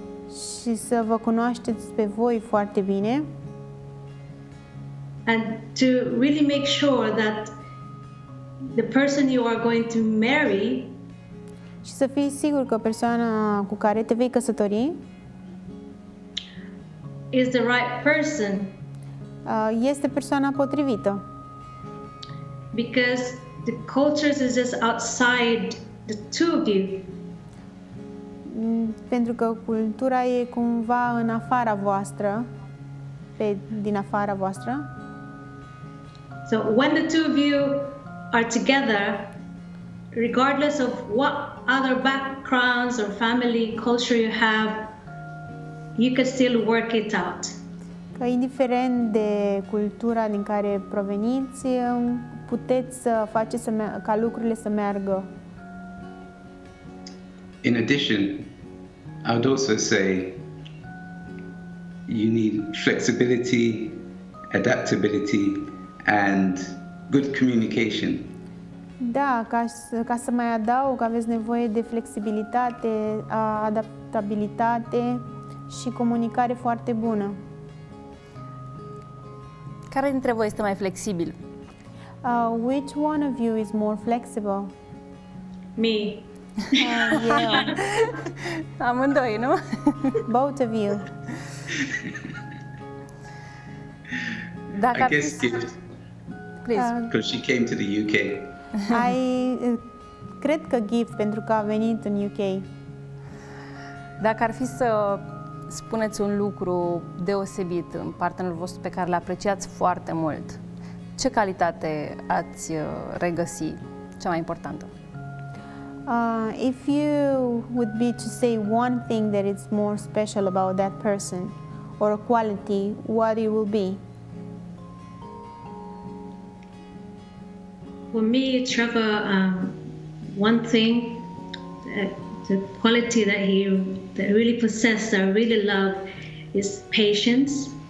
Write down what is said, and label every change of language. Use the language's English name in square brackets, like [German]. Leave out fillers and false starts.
[Romanian] Și să vă cunoașteți pe voi foarte bine. [English] And to really make sure that the person you are going to marry, [Romanian] și să fii sigur că persoana cu care te vei căsători [English] is the right person. [Romanian] Este persoana potrivită. [English] Because the cultures is just outside the two of you. [Romanian] Pentru că cultura e cumva în afara voastră, din afara voastră. [English] So when the two of you are together, regardless of what other backgrounds or family culture you have, you can still work it out. [Romanian] Că indiferent de cultura din care proveniți, puteți să faceți ca lucrurile să meargă. [English] In addition, I would also say you need flexibility, adaptability, and good communication. [Romanian] Da, ca să mai adaug, aveți nevoie de flexibilitate, adaptabilitate și comunicare foarte bună. Care dintre voi este mai flexibil? [English] Which one of you is more flexible? Me. [Romanian] Yeah. Amândoi, nu? [English] Both of you. Dacă I guess gift. Because she came to the UK. [Romanian] I cred că gift pentru că a venit în UK. Dacă ar fi să spuneți un lucru deosebit în partenerul vostru pe care l-apreciați foarte mult, ce calitate ați regăsi cea mai importantă? [English] If you would be to say one thing that is more special about that person or a quality, what it will be? For me, Trevor, one thing, the quality that he that really possessed, that I really love, is patience.